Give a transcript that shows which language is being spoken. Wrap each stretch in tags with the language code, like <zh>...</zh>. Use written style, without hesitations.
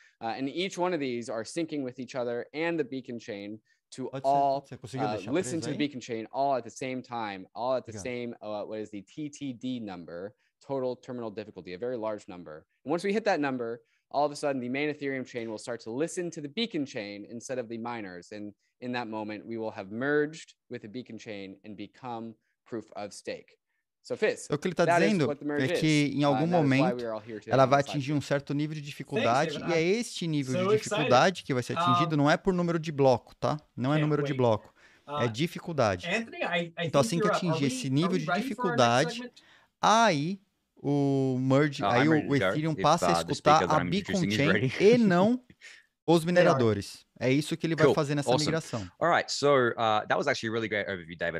<en>And each one of these are syncing with each other and the beacon chain to all listen to the beacon chain all at the same time, all at the same, what is the TTD number, total terminal difficulty, a very large number. And once we hit that number, all of a sudden, the main Ethereum chain will start to listen to the beacon chain instead of the miners. And in that moment, we will have merged with the beacon chain and become proof of stake. So, Fizz,</en> <pt>o que ele tá dizendo é que em algum momento ela vai atingir um certo nível de dificuldade. E é este nível de dificuldade que vai ser atingido, não é por número de bloco, tá? Não é número de bloco, é dificuldade. Então, assim que atingir esse nível de dificuldade, aí o merge, aí o Ethereum passa a escutar a Beacon Chain e não os mineradores. É isso que ele vai fazer nessa migração.</pt> <en>All right, so that was actually a really great overview, David.</en>